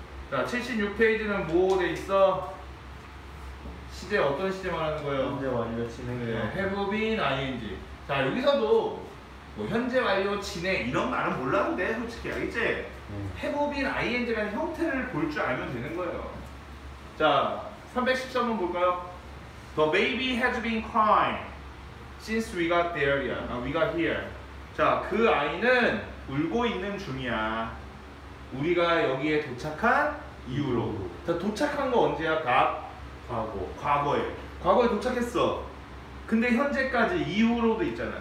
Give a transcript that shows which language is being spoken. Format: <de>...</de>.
<ko>자, 76페이지는 뭐 돼 있어? 시제, 어떤 시제 말하는 거예요? 현재 완료 진행.</ko> <en>네, have been ing.</en> <ko>자, 여기서도 뭐 현재 완료 진행 이런 말은 몰라도 돼, 솔직히. 알겠지? 네. have been ing라는 형태를 볼 줄 알면 되는 거예요. 자, 313번 볼까요?</ko> <en>The baby has been crying. Since we got there, yeah. We got here.</en> <ko>자, 그 아이는 울고 있는 중이야. 우리가 여기에 도착한 이후로. 자, 도착한 거 언제야? 갓? 과거. 과거에. 과거에 도착했어. 근데 현재까지, 이후로도 있잖아.</ko>